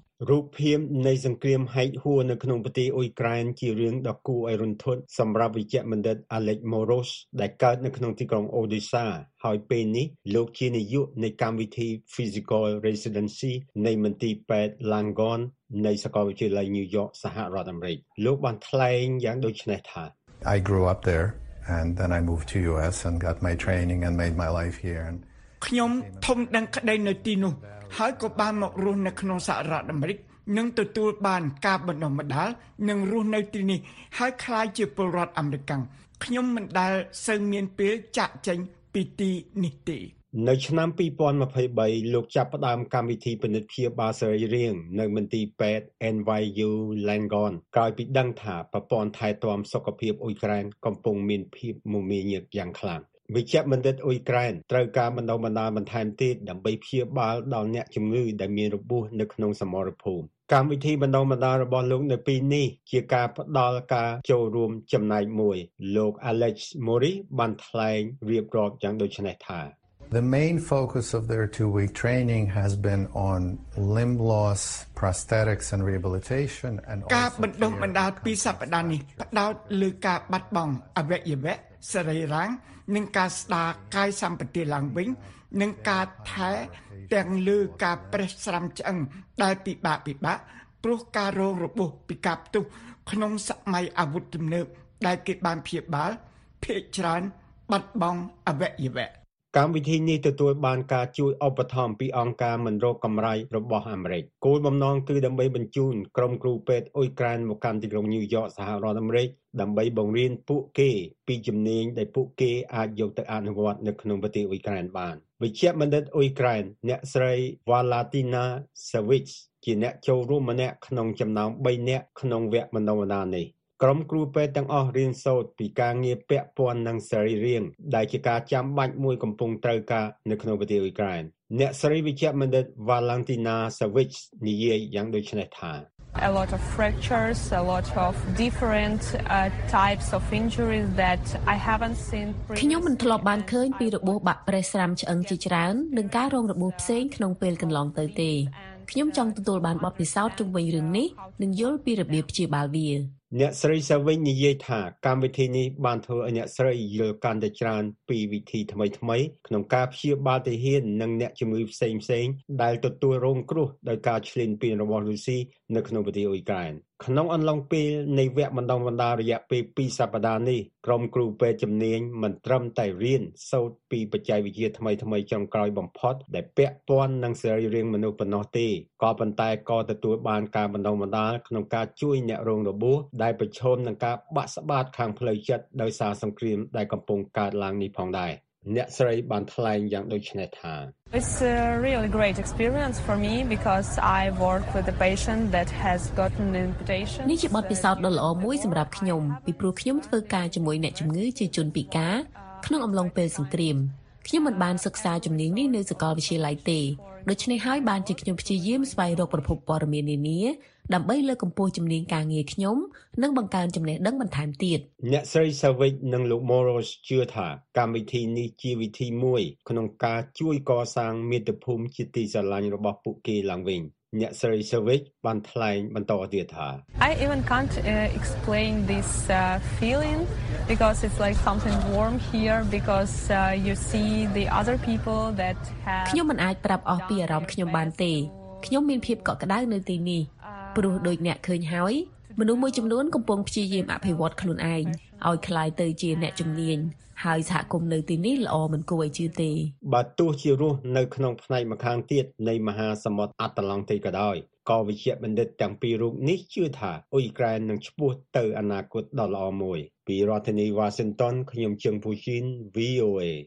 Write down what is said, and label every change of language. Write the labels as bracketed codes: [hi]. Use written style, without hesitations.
[km] រូបភាពនៃសង្គ្រាមហែកហួរនៅក្នុងប្រទេសអ៊ុយក្រែនជារឿងដ៏គួរឲ្យរន្ធត់សម្រាប់វិជ្ជបណ្ឌិតអាឡិចម៉ូរូសដែលកើតនៅក្នុងទីក្រុងអូឌីសាហើយពេលនេះលោកជានាយកនៃកម្មវិធី Physical Residency នៃមន្ទីរពេទ្យ Langone នៃសាកលវិទ្យាល័យ New York សហរដ្ឋអាមេរិកលោកបានថ្លែងយ៉ាងដូចនេះថា [en] I grew up there and then I moved to US and got my training and made my life here and... [km] ខ្ញុំធំដឹងក្តីនៅទីនោះហើយក៏បានមករស់នៅក្នុងសហរដ្ឋអាមេរិកនិងទទួលបានការបណ្ដុះបណ្ដាលនិងរស់នៅទីនេះហើយក្លាយជាពលរដ្ឋអាមេរិកខ្ញុំមិនដែលសូវមានពេលចាក់ចេញពីទីនេះទេ នៅឆ្នាំ2023លោកចាប់ផ្ដើមកម្មវិធីពិនិត្យភាពសរីរាង្គនៅមន្ទីរពេទ្យ NYU Langone ក្រោយពីដឹងថាប្រព័ន្ធថែទាំសុខភាពអ៊ុយក្រែនកំពុងមានភាពមមាញឹកយ៉ាងខ្លាំងវិជ្ជបណ្ឌិតអ៊ុយក្រែនត្រូវការបណ្ដុះបណ្ដាលបន្ថែមទៀតដើម្បីព្យាបាលដល់អ្នកជំងឺដែលមានរបួសនៅក្នុងសមរភូមិកម្មវិធីបណ្ដុះបណ្ដាលរបស់លោកនៅពីនេះជាការផ្ដល់ការចូលរួមចំណែកមួយលោក Alex Mori បានថ្លែងរៀបរាប់យ៉ាងដូចនេះថា [en] The main focus of their 2-week training has been on limb loss prosthetics and rehabilitation and also [km] ការបណ្ដុះបណ្ដាល2សប្ដាហ៍នេះផ្ដោតលើការបាត់បង់អវយវៈសរីរាង្គនឹងការស្ដារកាយសម្បទាឡើងវិញនឹងការថែទាំងលើការប្រេះស្រាំឆ្អឹងដែលពិបាកពិបាកព្រោះការរងរបួសពីការផ្ទុះក្នុងសម័យអាវុធទំនើបដែលគេបានព្យាបាលភាគច្រើនបាត់បង់អវយវៈ កម្មវិធីនេះទទួលបានការជួយឧបត្ថម្ភពីអង្គការមិនរកកម្រៃរបស់អាមេរិកគោលបំណងគឺដើម្បីបញ្ជូនក្រុមគ្រូពេទ្យអ៊ុយក្រែនមកកាន់ទីក្រុងញូវយ៉កសហរដ្ឋអាមេរិកដើម្បីបង្រៀនពួកគេពីជំនាញដែលពួកគេអាចយកទៅអនុវត្តនៅក្នុងប្រទេសអ៊ុយក្រែនបានវិជ្ជបណ្ឌិតអ៊ុយក្រែនអ្នកស្រី Valentina Savic ជាអ្នកចូលរួមម្នាក់ក្នុងចំណោម3នាក់ក្នុងវគ្គបណ្ដុះបណ្ដាលនេះក្រុមគ្រូពេទ្យទាំងអស់រៀនសូត្រពីការងារពាក់ព័ន្ធនឹងសរីរាង្គដែលជាការចាំបាច់មួយកំពុងត្រូវការនៅក្នុងប្រទេសអ៊ុយក្រែនអ្នកស្រីវិជ្ជបណ្ឌិត Valentina Savic និយាយយ៉ាងដូចនេះថា [en] A lot of fractures, a lot of different types of injuries that I haven't seen previously. [km] ខ្ញុំមិនធ្លាប់បានឃើញពីរបួសបាក់ប្រេះស្រាំឆ្អឹងជាច្រើននឹងការរងរបួសផ្សេងក្នុងពេលកន្លងទៅទេខ្ញុំចង់ទទួលបានបទពិសោធន៍ជុំវិញរឿងនេះនិងយល់ពីរបៀបព្យាបាលវា អ្នកស្រីសាវិញនិយាយថាកម្មវិធីនេះបានធ្វើឲ្យអ្នកស្រីយល់កាន់តែច្រើនពីវិធីថ្មីៗក្នុងការព្យាបាលទាហាននិងអ្នកជំងឺផ្សេងៗដែលទទួលរងគ្រោះដោយការឈ្លានពានរបស់រុស្ស៊ី នៅក្នុងប្រទេសអ៊ុយក្រែនក្នុងអំឡុងពេលនៃវគ្គបណ្ដុះបណ្ដាលរយៈពេល2សប្ដាហ៍នេះក្រុមគ្រូពេទ្យជំនាញមិនត្រឹមតែរៀនសូត្រពីបច្ចេកវិទ្យាថ្មីៗចុងក្រោយបំផុតដែលពាក់ព័ន្ធនឹងសរីរាង្គមនុស្សប៉ុណ្ណោះទេក៏ប៉ុន្តែក៏ទទួលបានការបណ្ដុះបណ្ដាលក្នុងការជួយអ្នករងរបួសដែលប្រឈមនឹងការបាក់ស្បាតខាងផ្លូវចិត្តដោយសារសង្គ្រាមដែលកំពុងកើតឡើងនេះផងដែរអ្នកស្រីបានថ្លែងយ៉ាងដូចនេះថា [en] It's a really great experience for me because I work with a patient that has gotten an invitation. [km] នេះជាបទពិសោធន៍ដ៏ល្អមួយសម្រាប់ខ្ញុំពីព្រោះខ្ញុំធ្វើការជាមួយអ្នកជំងឺជាជនពិការក្នុងអំឡុងពេលសង្គ្រាមខ្ញុំមិនបានសិក្សាជំនាញនេះនៅសាកលវិទ្យាល័យទេដូច្នេះហើយបានជាខ្ញុំព្យាយាមស្វែងរកប្រភពព័ត៌មាននានាដើម្បីលើកកម្ពស់ជំនាញការងារខ្ញុំនិងបង្កើនចំណេះដឹងបន្ថែមទៀត អ្នកស្រីសាវិចនិងលោក Moros ជឿថាកម្មវិធីនេះជាវិធីមួយក្នុងការជួយកសាងមាតុភូមិជាទីស្រឡាញ់របស់ពួកគេឡើងវិញអ្នកស្រីសាវិចបានថ្លែងបន្តទៀតថា [en] I even can't explain this feeling because it's like something warm here because you see the other people that have [km] ខ្ញុំមិនអាចប្រាប់អស់ពីអារម្មណ៍ខ្ញុំបានទេខ្ញុំមានភាពកក់ក្ដៅនៅទីនេះព្រោះដូចអ្នកឃើញហើយមនុស្សមួយចំនួនកំពុងព្យាយាមអភិវឌ្ឍខ្លួនឯងឲ្យក្លាយទៅជាអ្នកជំនាញហើយសហគមន៍នៅទីនេះល្អមិនគួរឲ្យជឿទេ បើទោះជារស់នៅក្នុងផ្នែកម្ខាងទៀតនៃមហាសមុទ្រអាត្លង់ទីក៏ដោយក៏វិជ្ជាបណ្ឌិតទាំងពីររូបនេះជឿថាអ៊ុយក្រែននឹងឆ្ពោះទៅអនាគតដ៏ល្អមួយពីរដ្ឋធានីវ៉ាស៊ីនតោនខ្ញុំជឹងពូជីន VOA